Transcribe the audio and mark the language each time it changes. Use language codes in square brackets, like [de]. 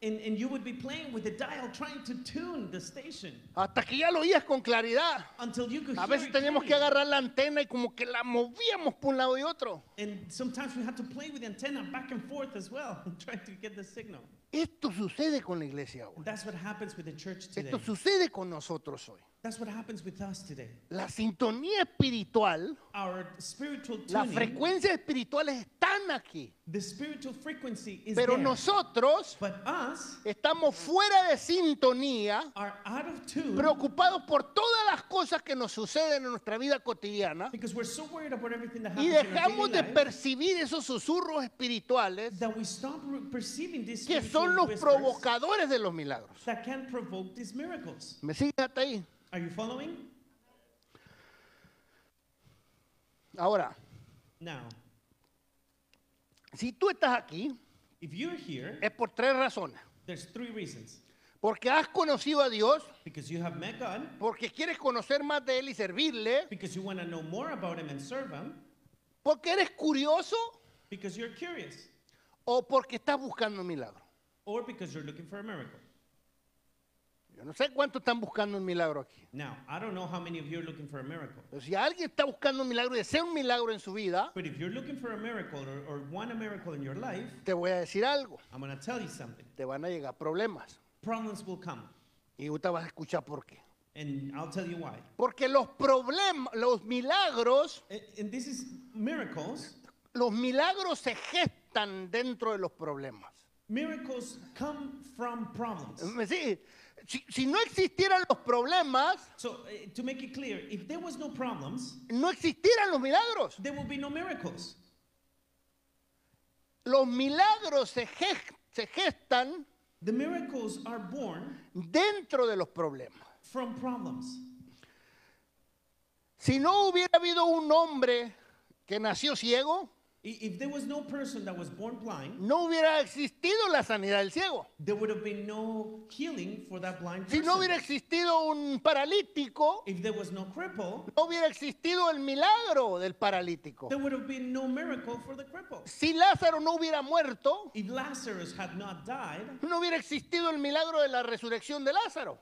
[en] And you would be playing with the dial trying to tune the station. [es] Hasta que ya lo oías con claridad. [en] Until you could [es] a veces teníamos que agarrar la antena y como que la movíamos por un lado y otro. [en] And sometimes we had to play with the antenna back and forth as well, trying to get the signal. [es] Esto sucede con la iglesia hoy. [en] That's what happens with the church today. [es] Esto sucede con nosotros hoy. [en] That's what happens with us today. [es] La sintonía espiritual, [en] our spiritual tuning, [es] la frecuencia espiritual están aquí. [en] The spiritual frequency is [es] pero [en] there. [es] Nosotros [en] but us [es] estamos fuera de sintonía, [en] are out of tune, [es] preocupados por todas las cosas que nos suceden en nuestra vida cotidiana, [en] because we're so worried about everything that happens [es] y dejamos de percibir esos susurros espirituales [en] that we stop perceiving these [es] que son los provocadores de los milagros. [en] That can provoke these miracles. [es] ¿Me siguen hasta ahí? [en] Are you following? [es] Ahora. [en] Now. [es] Si tú estás aquí, [en] if you're here, [es] es por tres razones. [en] There's three reasons. [es] Porque has conocido a Dios. [en] Because you have met God. [es] Porque quieres conocer más de él y servirle. [en] Because you want to know more about him and serve him. [es] Porque eres curioso. [en] Because you're curious. [es] O porque estás buscando un milagro. [en] Or because you're looking for a miracle. [es] No sé cuántos están buscando un milagro aquí. [en] Now, I don't know how many of you are looking for a miracle. [es] Si alguien está buscando un milagro y desea un milagro en su vida, [en] but if you're looking for a miracle or want a miracle in your life, [es] te voy a decir algo. [en] I'm going to tell you something. [es] Te van a llegar problemas. [en] Problems will come. [es] Y usted va a escuchar por qué. [en] And I'll tell you why. [es] Porque los problemas, los milagros, [en] and this is miracles, [es] los milagros se gestan dentro de los problemas. [en] Miracles come from problems. [es] Sí. Si no existieran los problemas, [en] so, to make it clear, if there was no problems, [es] no existieran los milagros. [en] There would be no miracles. [es] Los milagros se gestan, [en] the miracles are born [es] dentro de los problemas. [en] From problems. [es] Si no hubiera habido un hombre que nació ciego, [en] If there was no person that was born blind, [es] no hubiera existido la sanidad del ciego. [en] There would have been no healing for that blind person. [es] Si no hubiera existido un paralítico, [en] if there was no cripple, [es] no hubiera existido el milagro del paralítico. [en] There would have been no miracle for the cripple. [es] Si Lázaro no hubiera muerto, [en] if Lazarus had not died, [es] no hubiera existido el milagro de la resurrección de Lázaro.